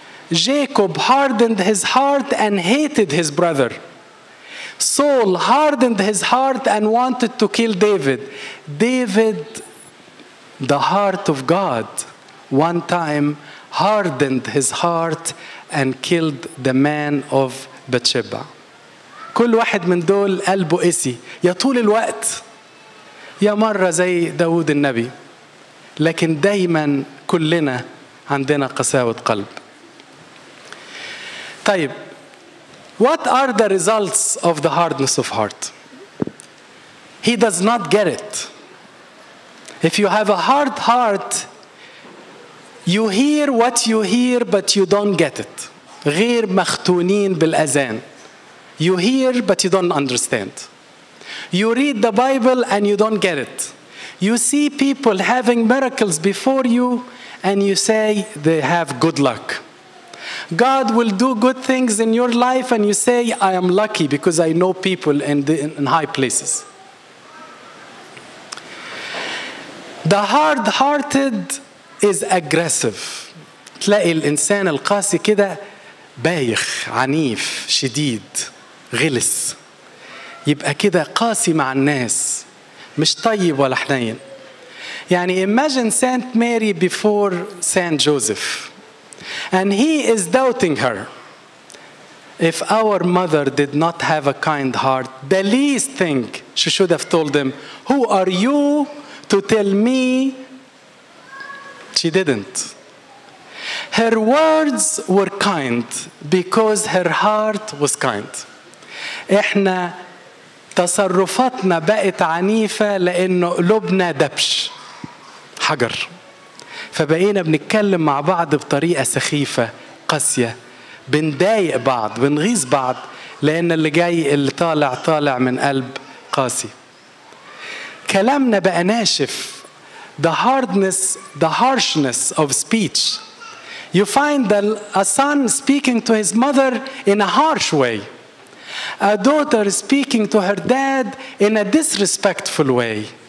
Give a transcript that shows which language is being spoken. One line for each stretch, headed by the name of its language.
English: Jacob hardened his heart and hated his brother. Saul hardened his heart and wanted to kill David. David, the heart of God, one time hardened his heart and killed the man of Bathsheba.
Arabic: كل واحد من دول قلبه قسي يا طول الوقت يا مرة زي داود النبي. لكن دايما كلنا عندنا قساوة قلب. طيب,
English: what are the results of the hardness of heart? He does not get it. If you have a hard heart, you hear what you hear, but you don't get it.
Arabic: غير مختونين بالأذان.
English: You hear, but you don't understand. You read the Bible and you don't get it. You see people having miracles before you and you say they have good luck. God will do good things in your life and you say, I am lucky because I know people in high places. The hard-hearted is aggressive.
Arabic: تلاقي الإنسان القاسي كده بايخ, عنيف, شديد, غلس. يبقى كده قاسي مع الناس. مش طيب ولا حنين. يعني
English: imagine Saint Mary before Saint Joseph. And he is doubting her. If our mother did not have a kind heart, the least thing she should have told him, who are you to tell me? She didn't. Her words were kind because her heart was kind.
Arabic: إحنا تصرفاتنا بقت عنيفة لأنه قلوبنا دبش حجر. فبقينا بنتكلم مع بعض بطريقة سخيفة قاسية. بنضايق بعض, بنغيظ بعض, لأن اللي جاي اللي طالع طالع من قلب قاسي. كلامنا بقى ناشف.
English: The harshness of speech. You find a son speaking to his mother in a harsh way. A daughter speaking to her dad in a disrespectful way.